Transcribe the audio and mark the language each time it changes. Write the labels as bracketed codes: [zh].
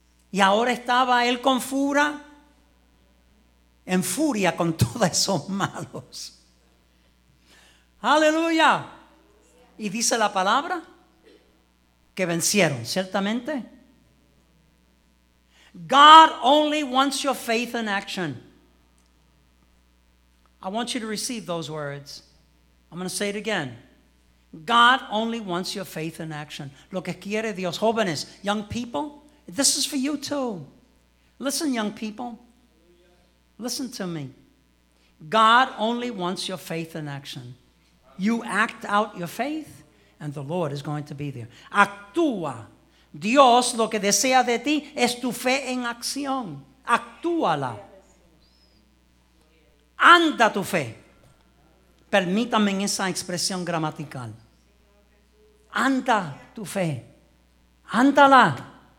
[es] Y ahora estaba él con furia. En furia con todos esos malos. ¡Aleluya! Y dice la palabra que vencieron, ciertamente. [en] God only wants your faith in action. I want you to receive those words. I'm going to say it again. God only wants your faith in action. [es] Lo que quiere Dios. [en] Jóvenes, young people, this is for you too. Listen, young people. Listen to me. God only wants your faith in action. You act out your faith, and the Lord is going to be there. [es] Actúa. Dios lo que desea de ti es tu fe en acción. Actúala. Anda tu fe. Permítame esa expresión gramatical. Anda tu fe. Ándala.